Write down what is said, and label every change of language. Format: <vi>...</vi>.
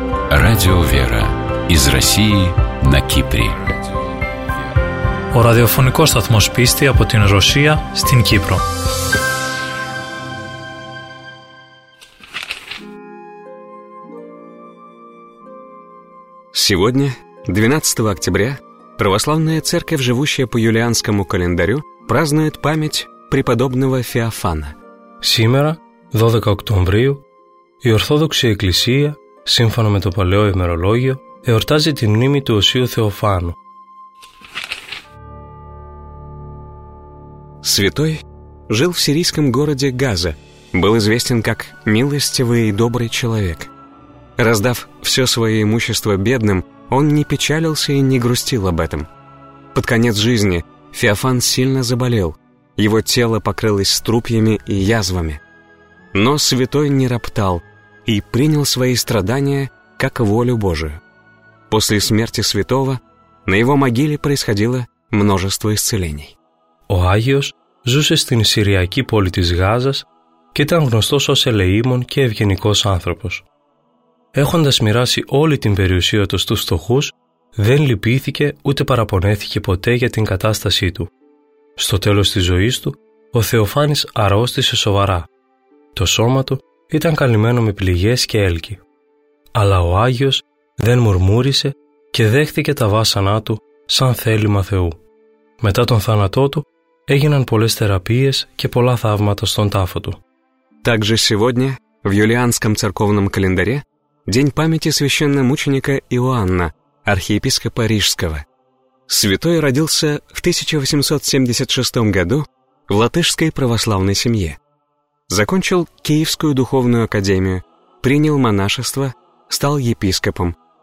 <ru>Радио «Вера» из России на Кипре.</ru> <el>Ο ραδιοφωνικός σταθμός πίστη από την Ρωσία στην Κύπρο.</el> <ru>Сегодня, 12 октября, Православная Церковь, живущая по юлианскому календарю, празднует память преподобного Феофана. Сегодня, 12 октября,</ru> <el>η Ορθόδοξη Εκκλησία, σύμφωνα με το παλαιό ημερολόγιο, εορτάζει την μνήμη του Οσίου Θεοφάνου.</el> <ru>Святой жил в сирийском городе Газа, был известен как милостивый и добрый человек. Раздав все свое имущество бедным, он не печалился и не грустил об этом. Под конец жизни Феофан сильно заболел, его тело покрылось струпьями и язвами. Но святой не роптал и принял свои страдания как волю Божию. После смерти святого на его могиле происходило множество исцелений.</ru> <el>О Агиос ζούσε στην Συριακή πόλη της Γάζας και ήταν γνωστός ως ελεήμων και ευγενικός άνθρωπος. Έχοντας μοιράσει όλη την περιουσία του στους φτωχούς, δεν λυπήθηκε ούτε παραπονέθηκε ποτέ για την κατάστασή του. Στο τέλος της ζωής του, ο Θεοφάνης αρρώστησε σοβαρά. Το σώμα του ήταν καλυμμένο με πληγές και έλκη. Αλλά ο Άγιος δεν μουρμούρισε και δέχτηκε τα βάσανά του σαν θέλημα Θεού. Μετά τον θάνατό του, έγιναν πολλές θεραπείες και πολλά θαύματα στον τάφο του.</el> <ru>Также сегодня в юлианском церковном календаре день памяти священномученика Иоанна, архиепископа Рижского. Святой родился в 1876 году в латышской православной семье. Закончил Киевскую духовную академию, принял монашество, стал епископом.</ru>